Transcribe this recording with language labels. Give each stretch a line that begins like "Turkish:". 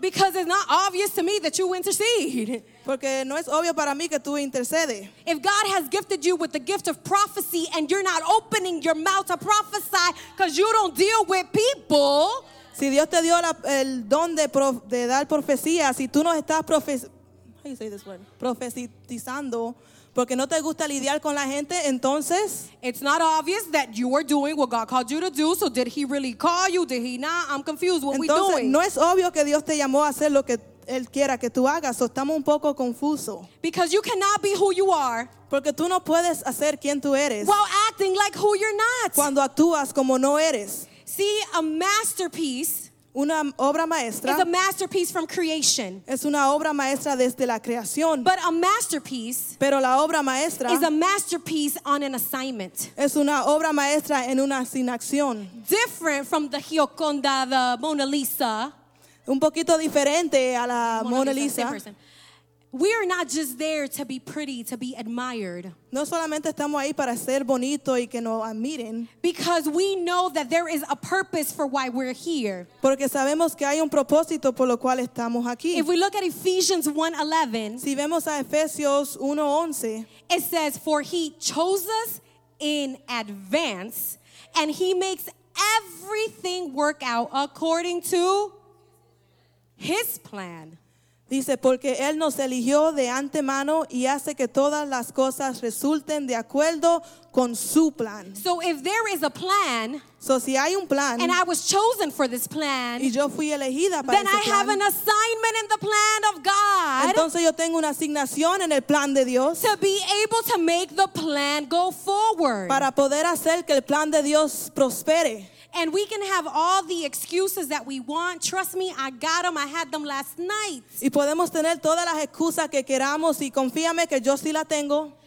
English: Because it's not obvious to me that you intercede.
Spanish: Porque no es obvio para mí que tú intercedes.
English: If God has gifted you with the gift of prophecy and you're not opening your mouth to prophesy because you don't deal with people.
Spanish: Si Dios te dio el don de dar profecía, si tú no estás profetizando porque no te gusta lidiar con la gente, entonces
English: it's not obvious that you are doing what God called you to do. So did he really call you? Did he not? I'm confused. What we doing?
Spanish: No es obvio que Dios te llamó a hacer lo que él quiera que tú hagas. So estamos un poco confusos.
English: Because you cannot be who you are.
Spanish: Porque tú no puedes hacer quien tú eres.
English: While acting like who you're not.
Spanish: Cuando actúas como no eres.
English: See, a masterpiece.
Spanish: Una obra maestra.
English: Is a masterpiece from creation.
Spanish: Es una obra maestra desde la creación.
English: But a masterpiece.
Spanish: Pero la obra maestra.
English: Is a masterpiece on an assignment.
Spanish: Es una obra maestra en una asignación.
English: Different from the Gioconda, the Mona Lisa.
Spanish: Un poquito diferente a la Mona Lisa.
English: We are not just there to be pretty, to be admired.
Spanish: No solamente estamos ahí para ser bonito y que nos admiren.
English: Because we know that there is a purpose for why we're here.
Spanish: Porque sabemos que hay un propósito por lo cual estamos aquí.
English: If we look at Ephesians 1:11,
Spanish: si vemos a Efesios 1:11,
English: it says, "For he chose us in advance, and he makes everything work out according to his plan."
Spanish: Dice, porque Él nos eligió de antemano y hace que todas las cosas resulten de acuerdo con su plan.
English: So if there is a plan,
Spanish: so si hay un plan,
English: and I was chosen for this plan,
Spanish: y yo fui elegida para
English: then
Spanish: ese
English: I
Spanish: plan,
English: have an assignment in the plan of God.
Spanish: Entonces yo tengo una asignación en el plan de Dios.
English: To be able to make the plan go forward.
Spanish: Para poder hacer que el plan de Dios prospere.
English: And we can have all the excuses that we want. Trust me, I got them. I had them last night.
Spanish: Y podemos tener todas las excusas que queramos y confíame que yo sí la tengo.